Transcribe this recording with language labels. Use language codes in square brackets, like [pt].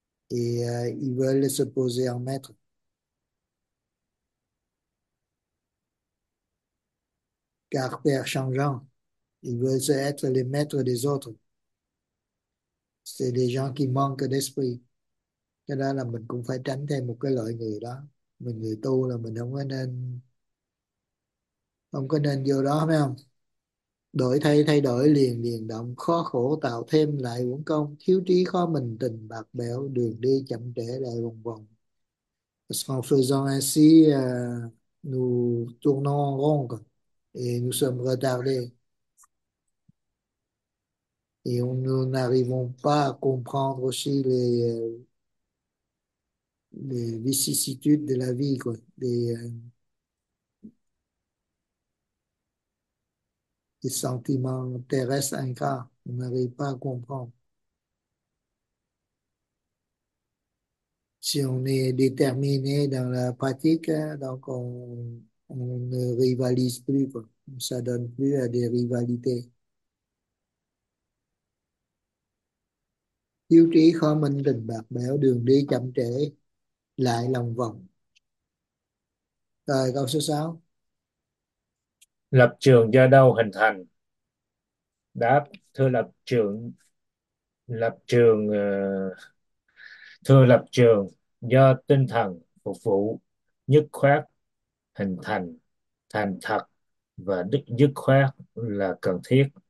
[fr] Et ils veulent se poser en maître. Caractère changeant. Ils veulent être les maîtres des autres. C'est des gens qui manquent d'esprit. [vi] Cho nên là mình cũng phải tránh thêm một cái loại người đó. Mình người tu là mình không có nên Không có nên vô đó, phải không? Đổi thay đổi liền liền động, khó khổ tạo thêm lại uổng công, thiếu trí khó mình, tình bạc bẽo, đường đi chậm trễ lại vòng vòng. [fr] Sans faisant ainsi, nous tournons rond et nous sommes retardés. Et nous n'arrivons pas à comprendre aussi les vicissitudes de la vie, quoi. Des sentiments terrestres incarnés, on n'arrive pas à comprendre. Si on est déterminé dans la pratique, hein, donc on ne rivalise plus, quoi. On ne s'adonne plus à des rivalités. [vi] Tiêu trí khó minh, tình bạc bẽo, đường đi chậm trễ lại lòng vòng. Rồi câu số 6. Lập trường do đâu hình thành? Đáp: thưa lập trường do tinh thần phục vụ dứt khoát hình thành, thành thật và đức dứt khoát là cần thiết.